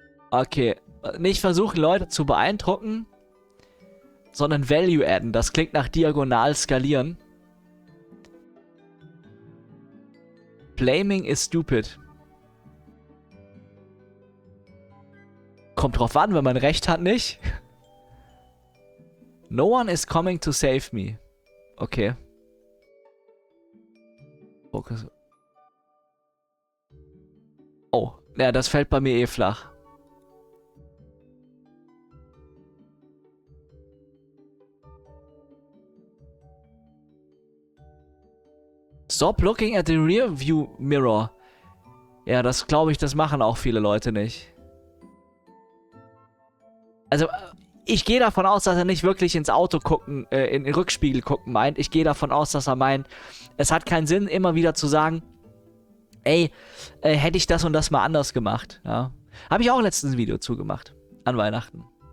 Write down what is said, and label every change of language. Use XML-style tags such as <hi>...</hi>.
<de>Okay. Nicht versuchen, Leute zu beeindrucken, sondern Value adden. Das klingt nach diagonal skalieren.</de> <en>Blaming is stupid.</en> <de>Kommt drauf an, wenn man recht hat, nicht?</de> <en>No one is coming to save me. Okay.</en> <de>Oh, ja, das fällt bei mir eh flach.</de> <en>Stop looking at the rear view mirror.</en> <de>Ja, das glaube ich, das machen auch viele Leute nicht. Also, ich gehe davon aus, dass er nicht wirklich ins Auto gucken, in den Rückspiegel gucken meint. Ich gehe davon aus, dass er meint, es hat keinen Sinn, immer wieder zu sagen, ey, hätte ich das und das mal anders gemacht. Ja. Habe ich auch letztens ein Video zugemacht. An Weihnachten.</de>